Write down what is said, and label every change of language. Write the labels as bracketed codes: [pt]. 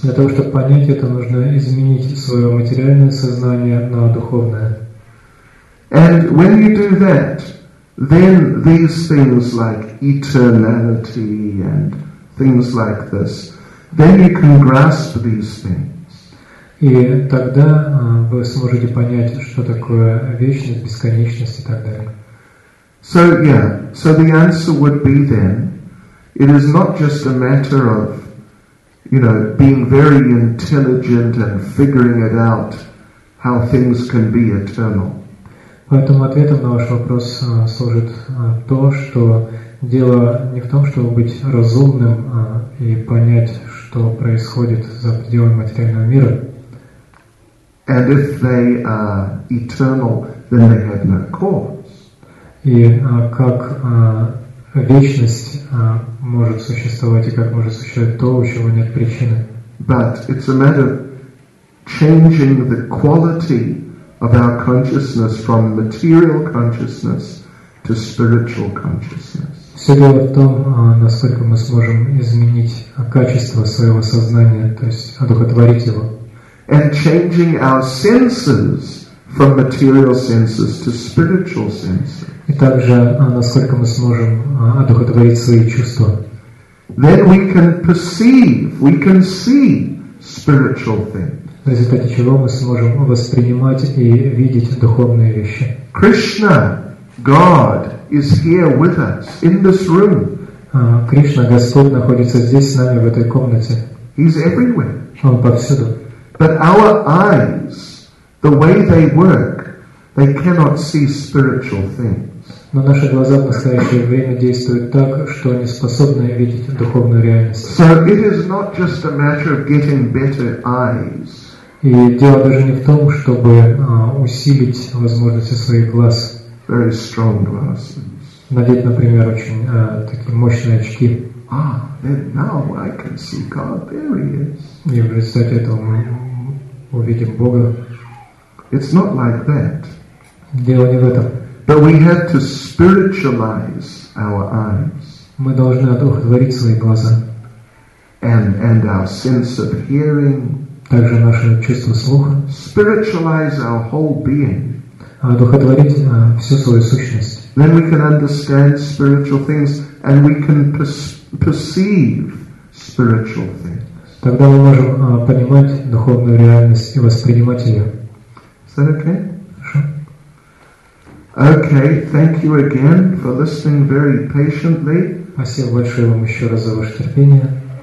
[ru] Для того, чтобы понять это, нужно изменить свое материальное сознание на духовное. [en] And when you do that, then these things like eternality and things like this, then you can grasp these things. [ru] И тогда вы сможете понять, что такое вечность, бесконечность и так далее. [en] So yeah, so the answer would be then, it is not just a matter of, you know, being very intelligent and figuring it out how things can be eternal. [ru] Поэтому ответом на ваш вопрос служит то, что дело не в том, чтобы быть разумным и понять, что происходит за пределами материального мира. [en] And if they are eternal, then they have no cause. [ru] И как вечность может существовать и как может существовать то, у чего нет причины. [en] But it's a matter of changing the quality of our consciousness from material consciousness to spiritual consciousness. [ru] Все дело в том, насколько мы сможем изменить качество своего сознания, то есть одухотворить его. [en] And changing our senses from material senses to spiritual senses. [ru] И также, насколько мы сможем одухотворить свои чувства. [en] Then we can perceive, we can see spiritual things. [ru] В результате чего мы сможем воспринимать и видеть духовные вещи. [en] Krishna, God, is here with us in this room. [ru] Кришна, Господь, находится здесь с нами в этой комнате. [en] He's everywhere. [ru] Он повсюду. [en] But our eyes, the way they work, they cannot see spiritual things. [ru] Но наши глаза в настоящее время действуют так, что они способны видеть духовную реальность. [en] So it is not just a matter of getting better eyes. [ru] И дело даже не в том, чтобы усилить возможности своих глаз. [en] Very strong glasses. [ru] Надеть, например, очень такие мощные очки. [en] Ah, then now I can see God. There he is. [ru] И в результате этого мы увидим Бога. [en] It's not like that. [ru] Дело не в этом. [en] But we have to spiritualize our eyes. [ru] Мы должны одухотворить свои глаза. [en] And our sense of hearing. [ru] Также наше чувство слуха. [en] Spiritualize our whole being. [ru] Одухотворить всю свою сущность. [en] Then we can understand spiritual things and we can perceive spiritual things. [ru] Тогда мы можем понимать духовную реальность и воспринимать ее. [en] Is that okay? Okay, thank you again for listening very patiently. [ru] Спасибо большое вам еще раз за ваше терпение.